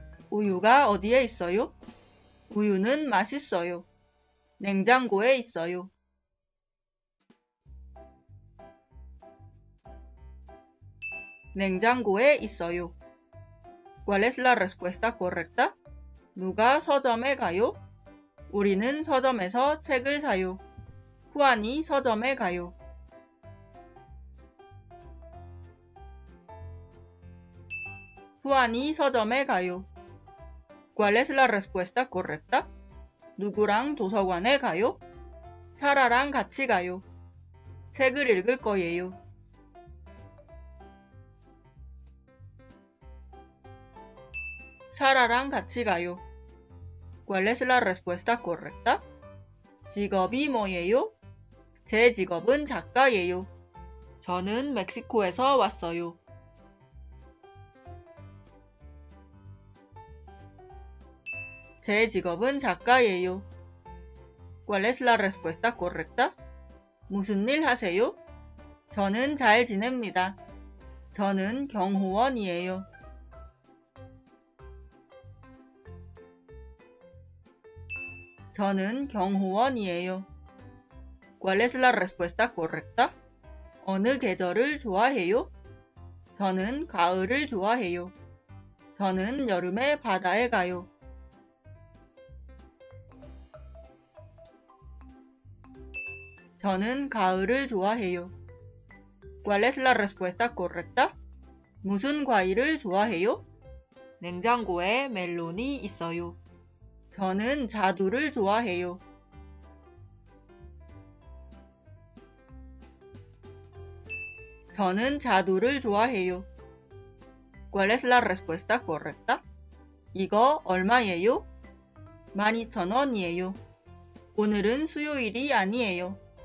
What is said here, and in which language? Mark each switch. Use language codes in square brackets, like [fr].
[ko] 우유가 어디에 있어요? 우유는 맛있어요. 냉장고에 있어요. 냉장고에 있어요. [es] ¿Cuál es la respuesta correcta? [ko] 누가 서점에 가요? 우리는 서점에서 책을 사요. 후안이 서점에 가요. 후안이 서점에 가요. [es] ¿Cuál es la respuesta correcta? [ko] 누구랑 도서관에 가요? 사라랑 같이 가요. 책을 읽을 거예요. 사라랑 같이 가요. [es] ¿Cuál es la respuesta correcta? [ko] 직업이 뭐예요? 제 직업은 작가예요. 저는 멕시코에서 왔어요. 제 직업은 작가예요. [es] ¿Cuál es la respuesta correcta? [ko] 무슨 일 하세요? 저는 잘 지냅니다. 저는 경호원이에요. 저는 경호원이에요. [es] ¿Cuál es la respuesta correcta? [ko] 어느 계절을 좋아해요? 저는 가을을 좋아해요. 저는 여름에 바다에 가요. 저는 가을을 좋아해요. [es] ¿Cuál es la respuesta correcta? [ko] 무슨 과일을 좋아해요? 냉장고에 멜론이 있어요. 저는 자두를 좋아해요. 저는 자두를 좋아해요. [es] ¿Cuál es la respuesta correcta? [ko] 이거 얼마예요? 12,000원이에요. 오늘은 수요일이 아니에요.